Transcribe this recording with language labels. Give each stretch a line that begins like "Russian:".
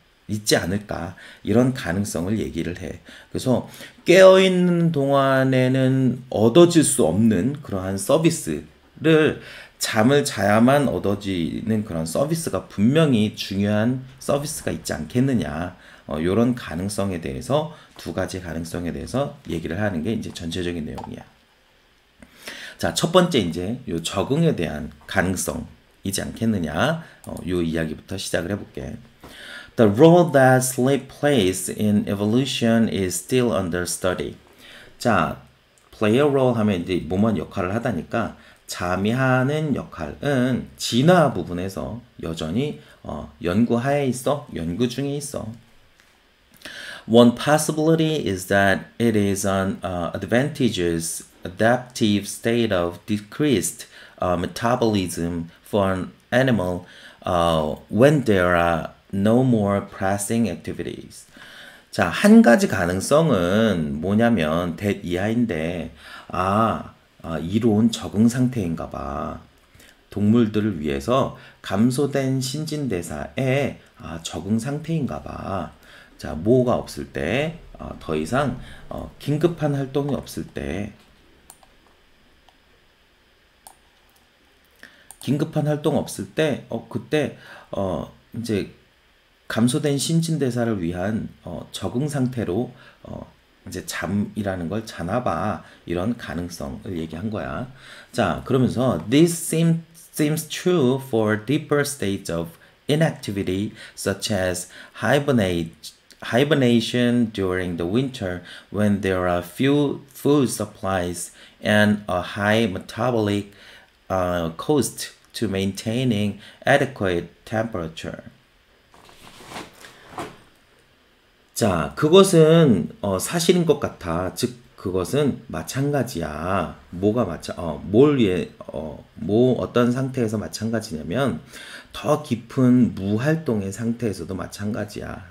Korean: 있지 않을까, 이런 가능성을 얘기를 해. 그래서 깨어있는 동안에는 얻어질 수 없는 그러한 서비스를, 잠을 자야만 얻어지는 그런 서비스가 분명히 중요한 서비스가 있지 않겠느냐. 이런 가능성에 대해서, 두 가지 가능성에 대해서 얘기를 하는 게 이제 전체적인 내용이야. 자, 첫 번째 이제 요 적응에 대한 가능성이지 않겠느냐. 요 이야기부터 시작을 해볼게.
English: The role that sleep plays in evolution is still under study.
Korean: 자,
English: play a role
Korean: 하면 이제 몸한 역할을 하다니까, 잠이 하는 역할은 진화 부분에서 여전히 연구하에 있어, 연구 중에 있어.
English: One possibility is that it is an advantageous adaptive state of decreased metabolism for an animal when there are no more pressing activities.
Korean: 자, 한 가지 가능성은 뭐냐면, that 이하인데, 이로운 적응 상태인가 봐. 동물들을 위해서 감소된 신진대사에 적응 상태인가 봐. 자, 뭐가 없을 때, 더 이상 긴급한 활동이 없을 때, 긴급한 활동 없을 때, 그때, 이제, 감소된 신진대사를 위한 적응 상태로 이제 잠이라는 걸 자나 봐. 이런 가능성을 얘기한 거야. 자, 그러면서
English: this seems true for deeper states of inactivity such as hibernation during the winter when there are few food supplies and a high metabolic cost to maintaining adequate temperature.
Korean: 자, 그것은 사실인 것 같아. 즉, 그것은 마찬가지야. 뭐가 마찬, 어뭘 위해 어뭐 어떤 상태에서 마찬가지냐면, 더 깊은 무활동의 상태에서도 마찬가지야.